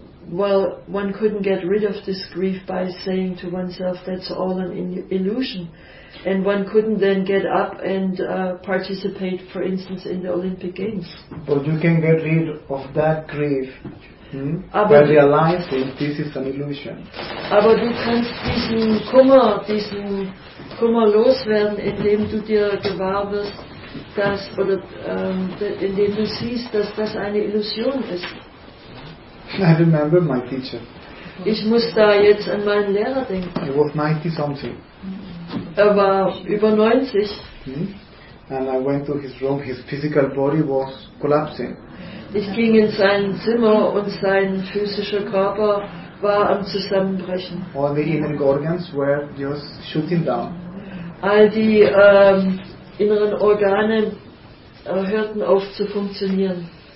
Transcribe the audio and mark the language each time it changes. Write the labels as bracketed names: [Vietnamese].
[English] Well, one couldn't get rid of this grief by saying to oneself, that's all an illusion. And one couldn't then get up and participate, for instance, in the Olympic Games. But you can get rid of that grief by realizing this is an illusion. [German] Aber du kannst diesen Kummer loswerden, indem du dir gewahr wirst, indem du siehst, dass das eine Illusion ist. [English] I remember my teacher. [German] Ich muss da jetzt an meinen Lehrer denken. [English] He was 90 something. [German] Er war über 90. [English] And I went to his room. His physical body was collapsing. [German] Ich ging in sein Zimmer und sein physischer Körper war am Zusammenbrechen. [English] All the inner organs were just shooting down. [German] All die inneren Organe hörten auf zu funktionieren.